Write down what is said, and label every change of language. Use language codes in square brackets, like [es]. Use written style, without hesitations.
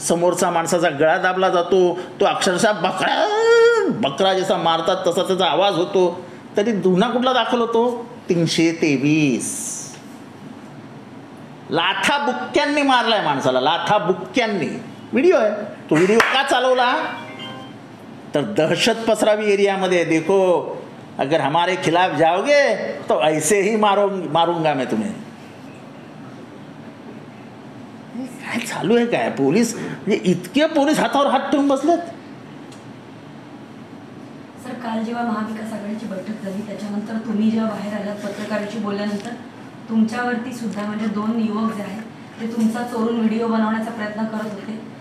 [mr] समोरचा माणसाचा गळा दाबला जातो तो अक्षरशः बकरा जसा मारतात तसा त्याचा आवाज होतो. तरी गुन्हा कुठला दाखल होतो. 323 लाथा बुक्क्यांनी मारलाय माणसाला. लाथा बुक्क्यांनी व्हिडिओ आहे. तो व्हिडिओ का चालवला तर दहशत पसरावी एरियामध्ये. [hi] देखो अगर हमारे खिलाफ जाओगे तो ऐसे ही मारूंगा मैं तुम्हें. [mr] काय चालू आहे. काय पोलीस म्हणजे इतके पोलीस हातावर हात ठेवून बसलेत. सर काल जेव्हा महाविकास आघाडीची बैठक झाली त्याच्यानंतर तुम्ही जेव्हा बाहेर आलात पत्रकारांशी बोलल्यानंतर तुमच्यावरती सुद्धा म्हणजे दोन युवक जे आहेत ते तुमचा चोरून व्हिडिओ बनवण्याचा प्रयत्न करत होते.